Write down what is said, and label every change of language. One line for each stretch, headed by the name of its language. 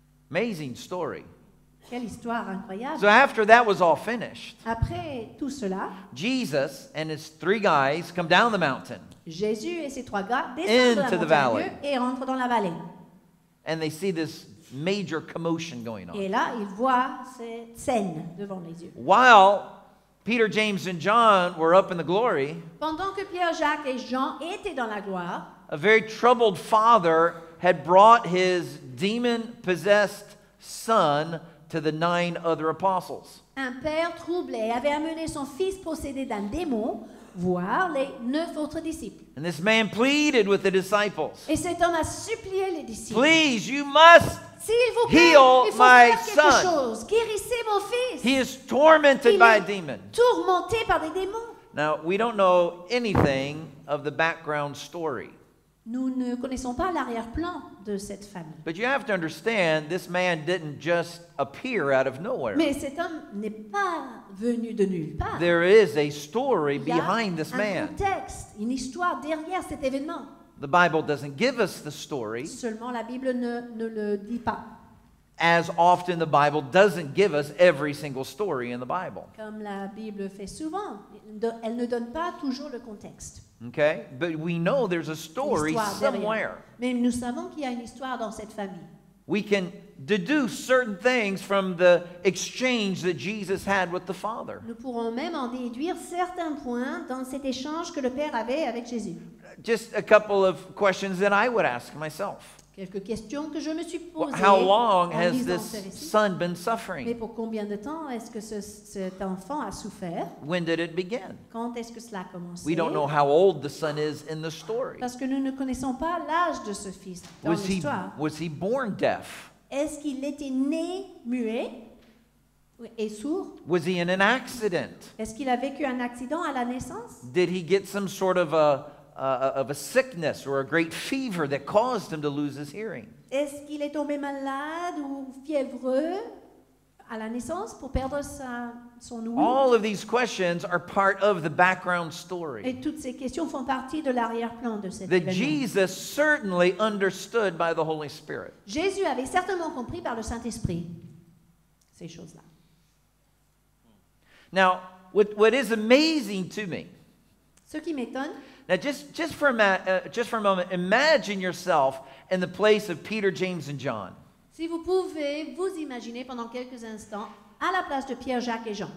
English: Amazing story.
French: Quelle histoire incroyable.
English: So after that was all finished,
French: après tout cela,
English: Jesus and his three guys come down the mountain,
French: Jésus et ses trois gars descendent
English: the valley,
French: et rentrent dans la vallée.
English: And they see this major commotion going on.
French: Et là, ils voient cette scène devant les yeux.
English: While Peter, James, and John were up in the glory,
French: pendant que Pierre, Jacques et Jean étaient dans la gloire,
English: a very troubled father had brought his demon-possessed son to the nine other apostles.
French: Un père troublé avait amené son fils possédé d'un démon voir les neuf autres disciples.
English: And this man pleaded with the disciples.
French: Et cet homme a supplié les disciples.
English: Please, you must
French: s'il vous plaît,
English: heal
French: il faut
English: my
French: faire quelque
English: son.
French: Chose. Guérissez mon fils.
English: He is tormented
French: il
English: by
French: est
English: a demon.
French: Tourmenté par des démons.
English: Now, we don't know anything of the background story.
French: Nous ne connaissons pas l'arrière-plan de cette famille.
English: But you have to understand, this man didn't just appear out of nowhere.
French: Mais cet homme n'est pas venu de nulle part.
English: There is a story behind this man.
French: Il y a un contexte, une histoire derrière cet événement.
English: The Bible doesn't give us the story.
French: Seulement la Bible ne le dit pas.
English: As often the Bible doesn't give us every single story in the Bible.
French: Comme la Bible fait souvent, elle ne donne pas toujours le contexte.
English: Okay, but we know there's a story somewhere.
French: Mais nous savons qu'il y a une histoire dans cette famille.
English: We can deduce certain things from the exchange that Jesus had with the Father.
French: Nous pourrons même en déduire certains points dans cet échange que le Père avait avec Jésus.
English: Just a couple of questions that I would ask myself.
French: Quelques questions que je me suis posées.
English: How long has this son been suffering?
French: Mais pour combien de temps est-ce que cet enfant a souffert?
English: When did it begin?
French: Quand est-ce que cela a commencé?
English: We don't know how old the son is in the story.
French: Parce que nous ne connaissons pas l'âge de ce fils dans l'histoire.
English: Was he born deaf?
French: Est-ce qu'il était né muet et sourd?
English: Was he in an accident?
French: Est-ce qu'il a vécu un accident à la naissance?
English: Did he get some sort of a sickness or a great fever that caused him to lose his hearing?
French: Est-ce qu'il est tombé malade ou fiévreux à la naissance pour perdre son ouïe?
English: All of these questions are part of the background story.
French: Et toutes ces questions font partie de l'arrière-plan de cet événement.
English: That Jesus certainly understood by the Holy Spirit.
French: Jésus avait certainement compris par le Saint-Esprit ces choses-là.
English: Now, what is amazing to me?
French: Ce qui m'étonne.
English: Now, just for a moment, imagine yourself in the place of Peter, James, and John.
French: Si vous pouvez vous imaginer pendant quelques instants à la place de Pierre, Jacques et Jean.